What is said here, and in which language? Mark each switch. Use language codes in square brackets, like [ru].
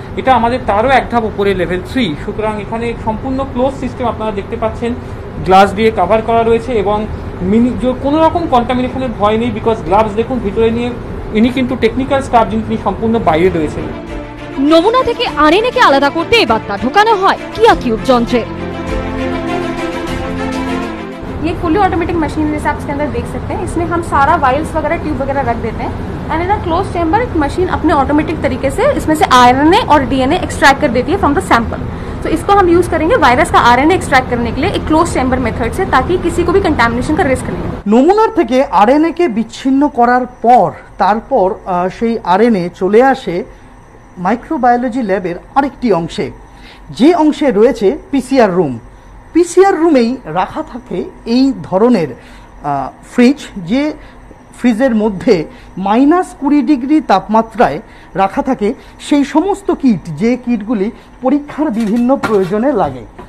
[bn] এটা আমাদের তারও এক ধাপ উপরে লেভেল থ্রি। সুতরাং এখানে সম্পূর্ণ ক্লোজ সিস্টেম আপনারা দেখতে পাচ্ছেন, গ্লাস দিয়ে কভার করা রয়েছে এবং কোনো রকম কন্টামিনেশনের ভয় নেই, বিকজ গ্লাভস দেখুন ভিতরে নিয়ে ইনি কিন্তু টেকনিক্যাল স্টাফ যিনি সম্পূর্ণ বাইরে রয়েছেন। নমুনা থেকে আরএনএকে আলাদা করতে এবার তা ঢোকানো হয় কিয়া কিউব যন্ত্রে। [hi] ये फुली ऑटोमेटिक मशीन जैसे आप इसके अंदर देख सकते हैं, इसमें हम सारा वायल्स वगैरह ट्यूब वगैरह रख देते हैं [en] and in a close chamber [hi] एक मशीन अपने ऑटोमेटिक तरीके से इसमें से आरएनए और डीएनए एक्सट्रैक्ट कर देती है [en] From the sample. [hi] तो इसको हम यूज करेंगे वायरस का आरएनए एक्सट्रैक्ट करने के लिए एक क्लोज चैम्बर मेथड से, ताकि किसी को भी कंटामिनेशन का रिस्क नहीं हो। [bn] नमूना থেকে আরএনএ কে বিচ্ছিন্ন করার পর তারপর সেই আরএনএ চলে আসে মাইক্রোবায়োলজি ল্যাবের আরেকটি অংশে, যে অংশে রয়েছে পিসিআর রুম। পিসিআর রুমেই রাখা থাকে এই ধরনের ফ্রিজ, যে ফ্রিজের মধ্যে -20 ডিগ্রি তাপমাত্রায় রাখা থাকে সেই সমস্ত কিট, যে কিটগুলি পরীক্ষার বিভিন্ন প্রয়োজনে লাগে।